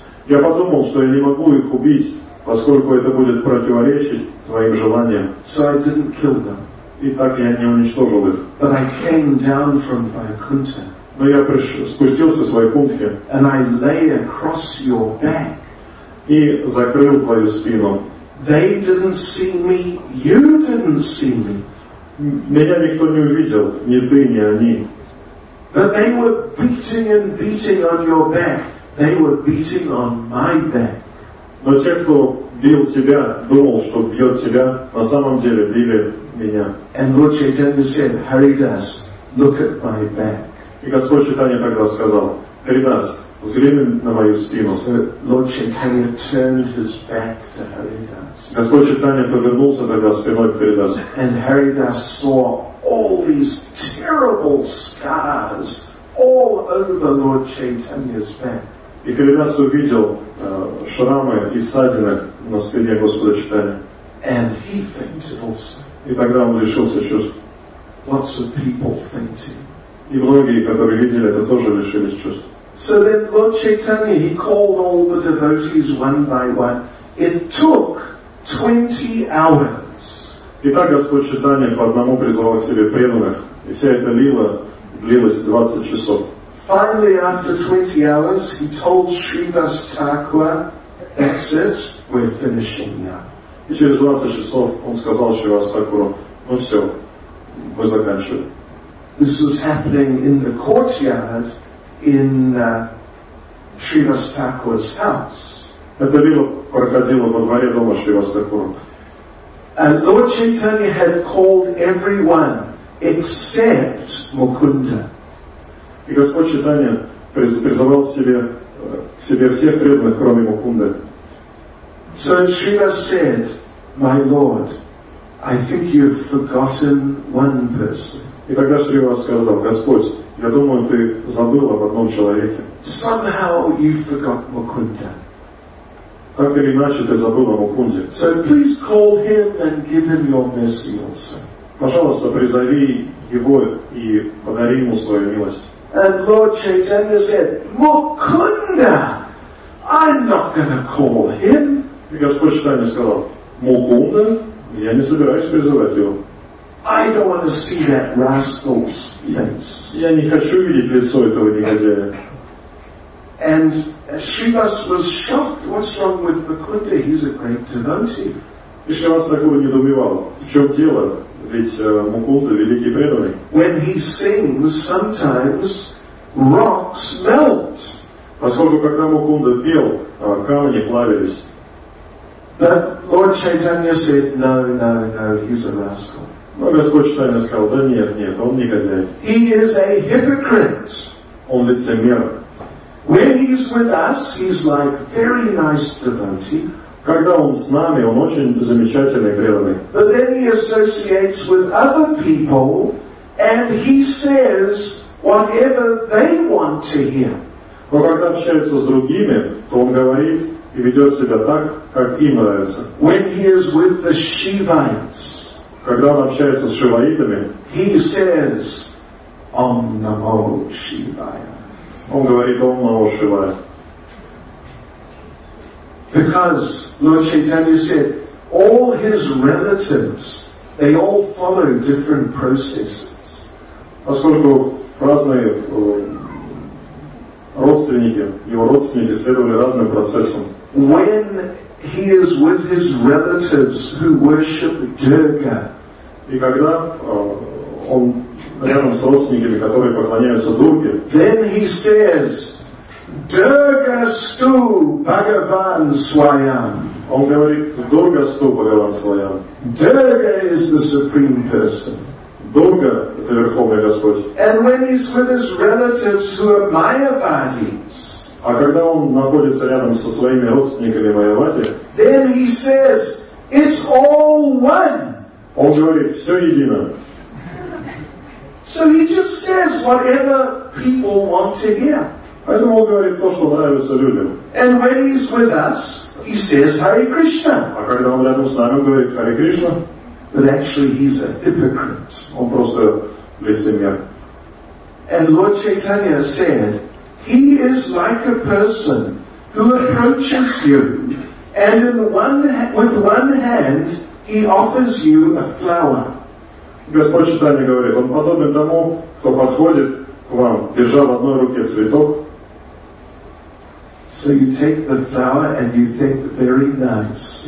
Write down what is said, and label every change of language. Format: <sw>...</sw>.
<ru>Я подумал, что я не могу их убить, поскольку это будет противоречить твоим желаниям.</ru> <en>So I didn't kill them.</en> <ru>И так я не уничтожил их.</ru> <en>But I came down from Vaikuntha.</en> <ru>Но я спустился с Вайкунтхи.</ru> <en>And I lay across your back.</en> <ru>И закрыл твою спину.</ru> <en>They didn't see me, you didn't see me.</en> <ru>Меня никто не увидел, ни ты, ни они.</ru> <en>But they were beating and beating on your back. They were beating on my back.</en> <ru>Но те, кто бил тебя, думал, что бьет тебя, на самом деле били меня.</ru> <en>And Lord Chaitanya said, Haridas, look at my back.</en> <ru>И Господь Чайтанья тогда сказал, Харидас, взгляни на мою спину.</ru> <en>So Lord Chaitanya turned his back to Haridas.</en> <ru>Господь Чайтанья повернулся тогда спиной к Харидасу.</ru> <en>And Haridas saw all these terrible scars all over Lord Chaitanya's back.</en> <ru>И Харидас увидел шрамы и ссадины на спине Господа Чайтанья.</ru> <en>And he fainted also.</en> <ru>И тогда он лишился чувств.</ru> <en>Lots of people fainting.</en> <ru>И многие, которые видели это, тоже лишились чувств.</ru> <en>So then Lord Chaitanya, he called all the devotees one by one. It took 20 hours.</en> <ru>Итак, Господь Чайтанья по одному призывал к себе преданных. И вся эта лила длилась 20 часов.</ru> <en>Finally, after 20 hours, he told Shrivas Thakura, that's it, we're finishing now.</en> <ru>И через 20 часов он сказал Шривас Такуру, ну все, мы заканчиваем.</ru> <en>This was happening in the courtyard in Shrivas Thakura's house.</en> <ru>Это было проходило во дворе дома Шривас Такура.</ru> <en>And Lord Chaitanya had called everyone except Mukunda.</en> <ru>И Господь Читания призывал к себе всех преданных, кроме Мукунды.</ru> <en>So Shiva said, my Lord, I think you've forgotten one person.</en> <ru>И тогда Шрива сказал, Господь, я думаю, ты забыл об одном человеке.</ru> <en>Somehow you forgot Mukunda.</en> <ru>Так или иначе, ты забыл о Мукунде.</ru> <en>So please call him and give him your mercy also.</en> <ru>Пожалуйста, призови его и подари ему свою милость.</ru> <en>And Lord Chaitanya said, Mukunda, I'm not going to call him.</en> <ru>И Господь Читания сказал, Мукунда, я не собираюсь призывать его.</ru> <en>I don't want to see that rascal's face.</en> <ru>Я не хочу видеть лицо этого негодяя.</ru> <en>And Shrivas was shocked. What's wrong with Mukunda? He's a great devotee.</en> <ru>И Шривас такого недоумевал. В чем дело? Ведь Мукунда великий преданный.</ru> <en>When he sings, sometimes rocks melt.</en> <ru>Поскольку когда Мукунда пел, камни плавились.</ru> <en>But Lord Chaitanya said, no, no, no, he's a rascal.</en> <ru>Но Господь Читания сказал, да нет, нет, он негодяй.</ru> <en>He is a hypocrite.</en> <ru>Он лицемер.</ru> <en>When he's with us, he's like very nice devotee.</en> <ru>Когда он с нами, он очень замечательный преданный.</ru> <en>But then he associates with other people, and he says whatever they want to hear.</en> <ru>Но когда общается с другими, то он говорит и ведет себя так, как им нравится.</ru> <en>When he is with the Shivites.</en> <ru>Когда он общается с шиваитами,</ru> <en>he says,</en> <sa>Om Namo Shivaya.</sa> <ru>Он говорит</ru> <sa>Om Namo Shivaya.</sa> <en>Because Lord Chaitanya said, all his relatives, they all follow different processes.</en> <ru>Поскольку разные родственники, его родственники следовали разным процессам.</ru> <en>When he is with his relatives who worship Durga.</en> <ru>И когда он рядом с родственниками, которые поклоняются Дурге,</ru> <en>then he says,</en> <sa>Durga stu Bhagavan Swayam.</sa> <ru>Он говорит,</ru> <sa>Durga stu Bhagavan Swayam.</sa> <en>Durga is the supreme person.</en> <ru>Durga это верховный Господь.</ru> <en>And when he's with his relatives who are Mayavadis,</en> <ru>а когда он находится рядом со своими родственниками Майавати,</ru> <en>then he says, it's all one.</en> <ru>Он говорит, все едино.</ru> <en>So he just says whatever people want to hear.</en> <ru>Поэтому он говорит то, что нравится людям.</ru> <en>And when he's with us, he says Hare Krishna.</en> <ru>А когда он рядом с нами, он говорит Hare Krishna.</ru> <en>But actually he's a hypocrite.</en> <ru>Он просто лицемер.</ru> <en>And Lord Chaitanya said, he is like a person who approaches you and with one hand he offers you a flower.</en> <ru>Господь Читания говорит, он подобен тому, кто подходит к вам, держа в одной руке цветок.</ru> <en>So you take the flower and you think very nice.</en>